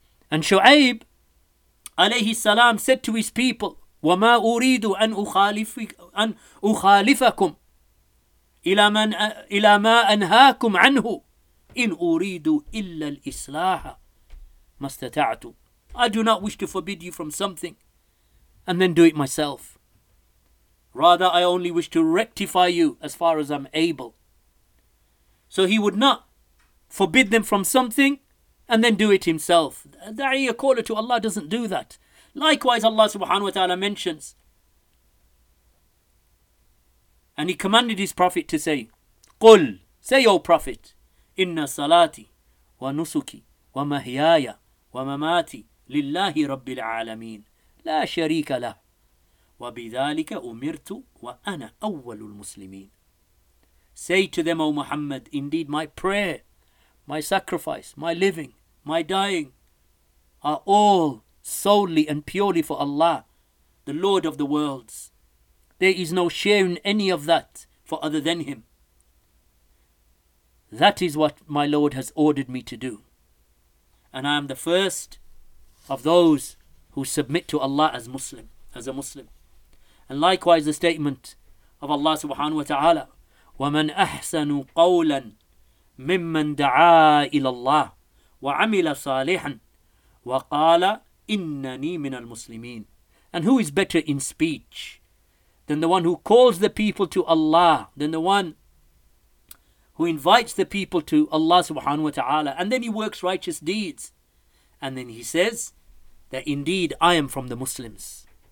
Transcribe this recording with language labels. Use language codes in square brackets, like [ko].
[en] And Shu'aib, alayhi salam, said to his people, [ar] وَمَا أُرِيدُ أَنْ أُخَالِفَكُمْ إِلَى مَا أَنْهَاكُمْ عَنْهُ إِنْ أُرِيدُ إِلَّا الْإِصْلَاحَ مَا اسْتَطَعْتُ. [en] I do not wish to forbid you from something and then do it myself. Rather, I only wish to rectify you as far as I'm able. So he would not forbid them from something and then do it himself. A da'iyah caller to Allah doesn't do that. Likewise, Allah subhanahu wa ta'ala mentions, and he commanded his prophet to say, [ar] قُلْ, [en] say, O prophet, [ar] إِنَّ صَلَاتِ وَنُسُكِ وَمَهْيَايَ وَمَمَاتِ لِلَّهِ رَبِّ الْعَالَمِينَ لَا شَرِيكَ لَهُ وَبِذَٰلِكَ أُمِرْتُ وَأَنَا أَوَّلُ الْمُسْلِمِينَ. [en] Say to them, O Muhammad, indeed my prayer, my sacrifice, my living, my dying are all solely and purely for Allah, the Lord of the worlds. There is no share in any of that for other than Him. That is what my Lord has ordered me to do. And I am the first of those who submit to Allah as Muslim, as a Muslim. And likewise the statement of Allah subhanahu wa ta'ala, [ar] وَمَنْ أَحْسَنُ قَوْلًا مِمَّنْ دَعَى إِلَى اللَّهِ وَعَمِلَ صَالِحًا وَقَالَ إِنَّنِي مِنَ الْمُسْلِمِينَ. [en] And who is better in speech than the one who calls the people to Allah, than the one who invites the people to Allah subhanahu wa ta'ala, and then he works righteous deeds, and then he says that indeed I am from the Muslims.